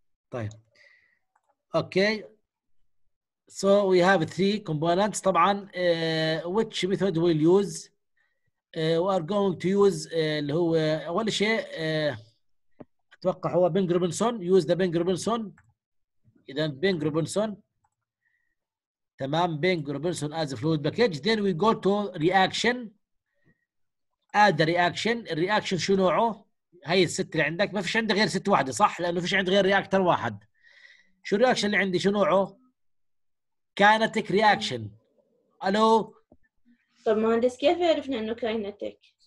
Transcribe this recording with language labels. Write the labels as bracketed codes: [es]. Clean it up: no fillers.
[ar] طيب اوكي [en] So we have three components. طبعاً which method we'll use? We are going to use [ar] اللي هو أول شيء أتوقع هو بينج روبنسون. [en] Use the [ar] بينج روبنسون. إذا بينج روبنسون. تمام [en] Peng Robinson as a fluid package. Then we go to reaction. [ar] هذا رياكشن، الرياكشن شو نوعه؟ هاي الست اللي عندك، ما فيش عندك غير ست واحدة صح؟ لأنه فيش عندك غير رياكتر واحد. شو الرياكشن اللي عندي شو نوعه؟ كاينتك رياكشن. ألو؟ طب مهندس كيف عرفنا أنه كاينتك؟